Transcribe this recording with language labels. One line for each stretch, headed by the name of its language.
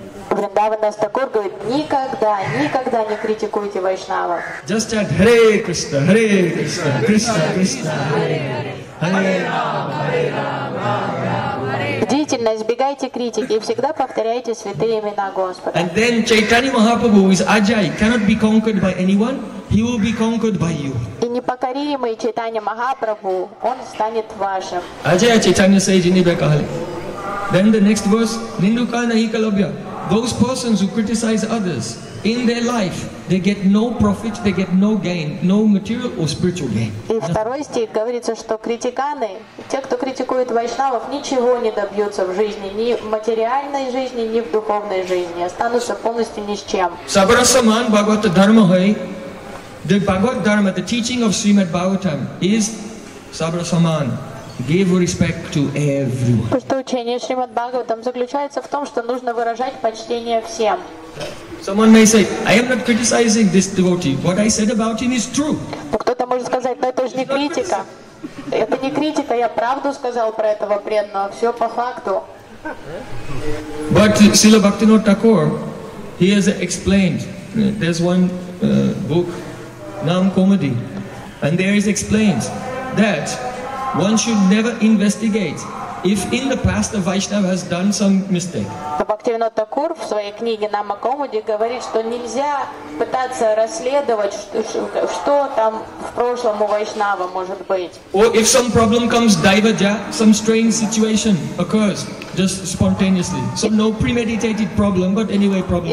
Russian: Вриндаван Дас Такур говорит, никогда, никогда не критикуйте вайшнава.
English: Just chant Hare Krishna, Krishna Krishna, Hare Rama.
Russian: Бдительно избегайте критики и всегда повторяйте святые имена Господа.
English: And then Chaitanya Mahaprabhu is Ajay, cannot be conquered by anyone, he will be conquered by you.
Russian: И непокоримый Чайтанья Махапрабху, он станет вашим. Ajay Chaitanya Sayyidinibya Kahali.
English: Then the next verse, Ninduka Nahi Kalabhya. Those persons who criticize others in their life, they get no profit, they get no gain, no material or spiritual gain.
Russian: И второй стих говорится, что критиканы, те, кто критикует вайшнавов, ничего не добьются в жизни, ни в материальной жизни, ни в духовной жизни, останутся полностью ни с чем. Sabarasaman Bhagavata Dharma Hai.
English: The Bhagavad Dharma, the teaching of Srimad Bhagavatam is Sabarasaman. Give respect to everyone.
Russian: Что учение Шримад Бхагаватам заключается в том, что нужно выражать почтение всем.
English: Someone may say, I am not criticizing this devotee. What I said about him is true.
Russian: Кто-то может сказать, но это же не критика. Это не критика, я правду сказал про этого преданного, все по факту.
English: But Srila Bhaktivinoda Thakur, he has explained. There's one book, Nam Komadi, and there is explained that one should never investigate if in the past a Vaishnava has done some mistake.
Russian: Бхактивинода Такур в своей книге «Нама Комади» говорит, что нельзя пытаться расследовать, что там в прошлом у Вайшнава может быть.
English: Or if some problem comes daivaja, some strange situation occurs just spontaneously. So no premeditated problem, but anyway problem.